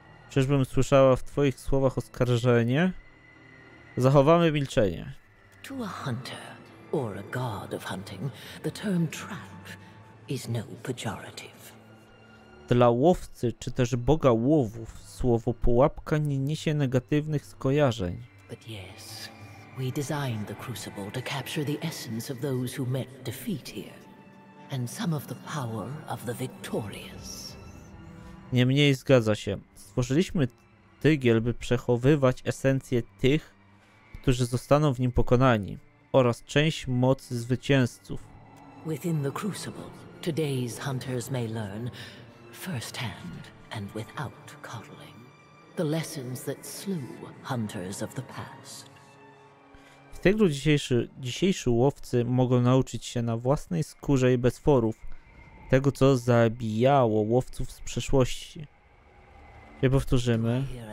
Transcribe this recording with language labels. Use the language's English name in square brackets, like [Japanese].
[Polish] Czyżbym słyszała w twoich słowach oskarżenie? Zachowamy milczenie. [English] To a hunter or a god of hunting, the term trap is no pejorative. [Polish] Dla łowcy, czy też boga łowów, słowo pułapka nie niesie negatywnych skojarzeń. [English] But yes, we designed the crucible to capture the essence of those who met defeat here, and some of the power of the victorious. [Polish] Niemniej zgadza się. Stworzyliśmy tygiel, by przechowywać esencję tych, którzy zostaną w nim pokonani, oraz część mocy zwycięzców. [English] Within the crucible, today's hunters may learn firsthand and without coddling the lessons that slew hunters of the past. [Polish] W tygru dzisiejsi łowcy mogą nauczyć się na własnej skórze i bez forów tego, co zabijało łowców z przeszłości. I powtórzymy.